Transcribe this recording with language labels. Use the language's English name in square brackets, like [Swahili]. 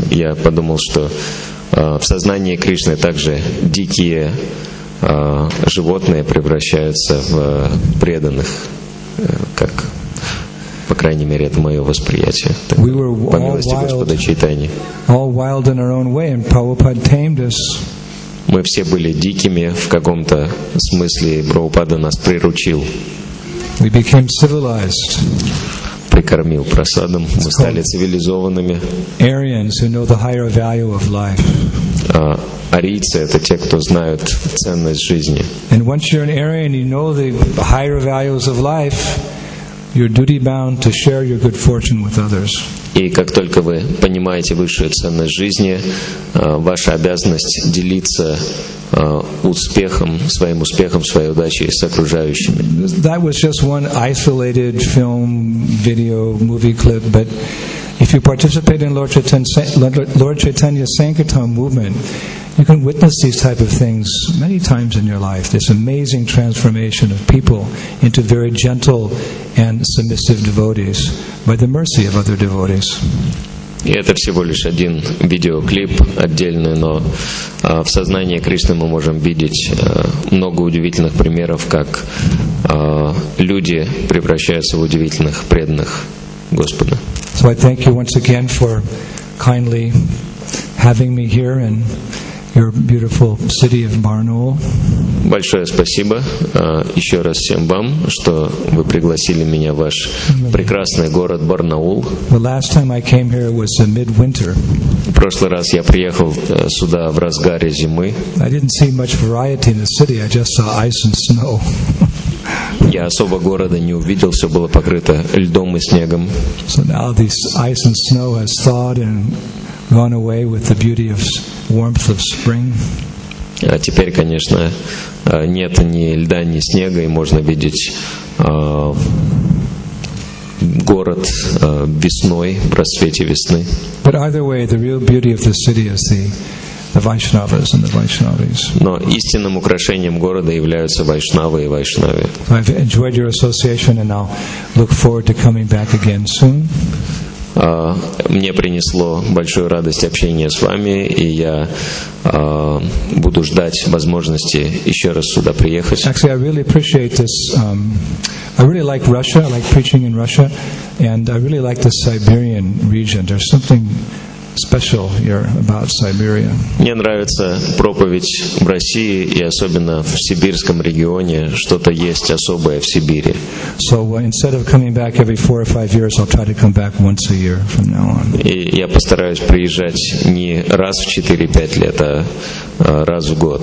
[Russian] Я подумал, что в сознании Кришны также дикие животные превращаются в преданных, как, по крайней мере, это мое восприятие. Так, [English] we were [Russian] по милости [English] wild, [Russian] Господа Чайтаньи. [English] All wild in our own way, and Prabhupada tamed us. [Russian] Мы все были дикими в каком-то смысле, и Прабхупада нас приручил. [English] We became civilized. [Russian] Прикормил просадом, мы стали цивилизованными. [English] Aryans, who know the higher value of life. [Russian] Арийцы — это те, кто знают ценность жизни. [English] And once you're an Aryan, you know the higher values of life. You're duty-bound to share your good fortune with others. [Russian] И как только вы понимаете высшую ценность жизни, ваша обязанность делиться успехом, своим успехом, своей удачей с окружающими. [English] That was just one isolated film, video, movie clip, but if you participate in Lord Chaitanya's Sankirtan movement, you can witness these type of things many times in your life, this amazing transformation of people into very gentle and submissive devotees by the mercy of other devotees. [Russian] И это всего лишь один видеоклип отдельный, но в сознании Кришны мы можем видеть много удивительных примеров, как люди превращаются в удивительных преданных Господа. [English] So I thank you once again for kindly having me here in your beautiful city of Barnaul. [Russian] Большое спасибо еще раз всем вам, что вы пригласили меня в ваш прекрасный город Барнаул. [English] The last time I came here was in midwinter. [Russian] В прошлый раз я приехал сюда в разгаре зимы. [English] I didn't see much variety in the city. I just saw ice and snow. [Russian] Я особо города не увидел, все было покрыто льдом и снегом. [English] So now this ice and snow has thawed and gone away with the beauty of warmth of spring. [Russian] А теперь, конечно, нет ни льда, ни снега, и можно видеть город весной, в рассвете весны. [English] But either way, the real beauty of the city is the Vaishnavas and the Vaishnavis. [Russian] Но истинным украшением города являются Вайшнавы и Вайшнави. [English] So I've enjoyed your association, and I'll look forward to coming back again soon. [Russian] Мне принесло большую радость общение с вами, и я буду ждать возможности еще раз сюда приехать. [English] Actually, I really appreciate this. I really like Russia. I like preaching in Russia, and I really like the Siberian region. There's something special here about Siberia. [Russian] Мне нравится проповедь в России и особенно в сибирском регионе. Что-то есть особое в Сибири. [English] So instead of coming back every 4 or 5 years, I'll try to come back once a year from now on. [Russian] И я постараюсь приезжать не раз в 4-5 лет, а раз в год.